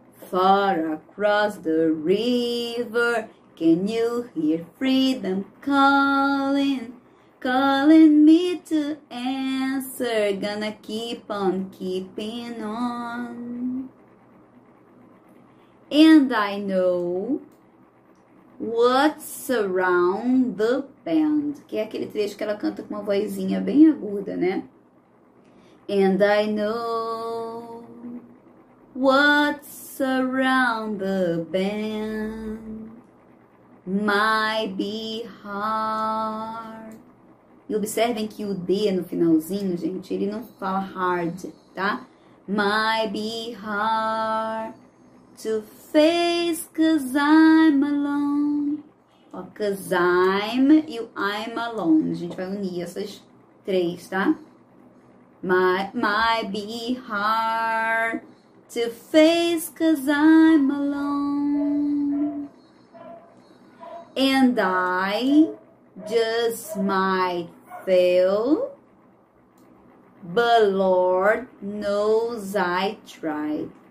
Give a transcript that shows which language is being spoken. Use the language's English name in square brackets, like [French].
[English] Far across the river, can you hear freedom calling? Calling me to answer. Gonna keep on keeping on. And I know what's around the bend, [Portuguese] que é aquele trecho que ela canta com uma vozinha bem aguda, né? [English] And I know what's around the bend might be hard. [Portuguese] E observem que o D no finalzinho, gente, ele não fala hard, tá? [English] Might be hard to face, 'cause I'm alone. [Portuguese] Ó, [English] 'cause I'm [Portuguese] e o I'm alone. A gente vai unir essas três, tá? [English] Might be hard to face, 'cause I'm alone. And I just might fail, but Lord knows I tried.